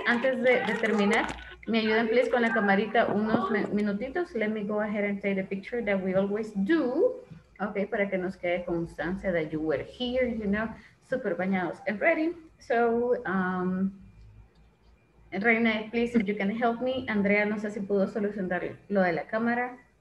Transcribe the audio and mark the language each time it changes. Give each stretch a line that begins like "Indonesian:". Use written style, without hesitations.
Spanish: Antes de terminar, me ayudan, please, con la camarita unos minutitos.
English: Let me go ahead and take the picture that we always do. Okay,
Spanish: para que nos quede constancia
English: that you were here, you know,
Spanish: super bañados
English: and ready. So, Reina, please, if you can help me.
Spanish: Andrea, no sé si pudo solucionar lo de la cámara.